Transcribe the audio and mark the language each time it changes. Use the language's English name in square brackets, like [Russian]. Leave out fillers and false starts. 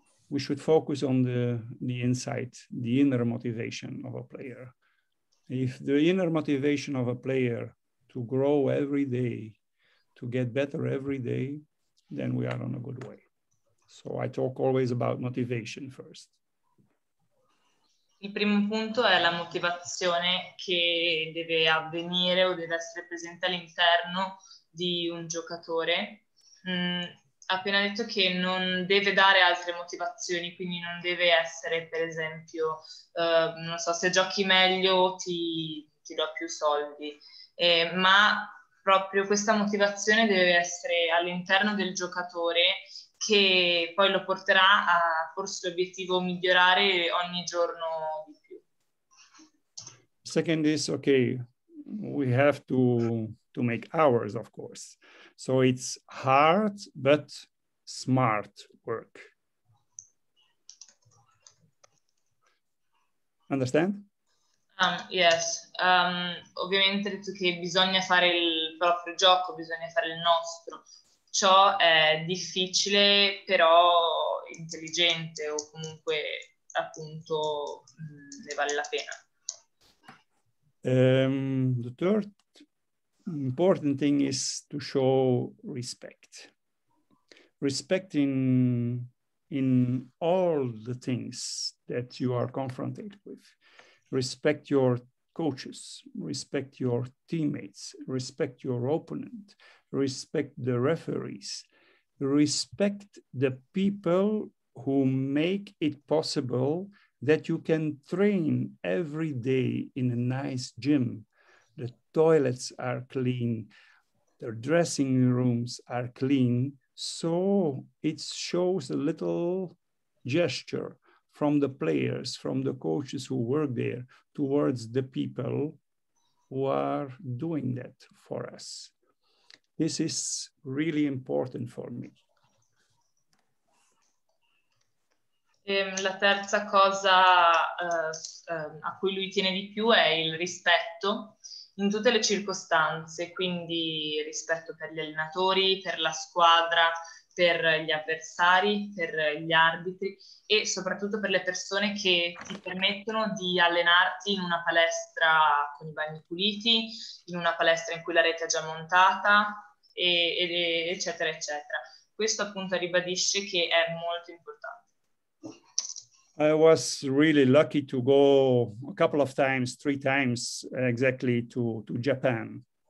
[English] We should focus on the insight, the inner motivation of a player. If the inner motivation of a player to grow every day, to get better every day, then we are on a good way. So I talk always about motivation first. [Italian] Il primo punto è la motivazione che deve avvenire o deve essere presente all'interno di un giocatore. Appena detto che non deve dare altre motivazioni, quindi non deve essere, per esempio, non so, se giochi meglio ti do più soldi, ma proprio questa motivazione deve essere all'interno del giocatore che poi lo porterà a porsi l'obiettivo migliorare ogni giorno. [English] Second is, okay, we have to make hours, of course. So it's hard, but smart work. Understand? Yes. [Italian] Ovviamente detto che bisogna fare il proprio gioco, bisogna fare il nostro. Ciò è difficile, però intelligente, o comunque, appunto, ne vale la pena. [English] The third important thing is to show respect. Respect in all the things that you are confronted with. Respect your coaches, respect your teammates, respect your opponent, respect the referees, respect the people who make it possible that you can train every day in a nice gym. The toilets are clean, the dressing rooms are clean. So it shows a little gesture from the players, from the coaches who work there, towards the people who are doing that for us. This is really important for me. [Italian] La terza cosa a cui lui tiene di più è il rispetto in tutte le circostanze, quindi rispetto per gli allenatori, per la squadra, per gli avversari, per gli arbitri e soprattutto per le persone che ti permettono di allenarti in una palestra con i bagni puliti, in una palestra in cui la rete è già montata, e eccetera, eccetera. Questo appunto ribadisce che è molto importante. [English] I was really lucky to go a couple of times, three times exactly to Japan.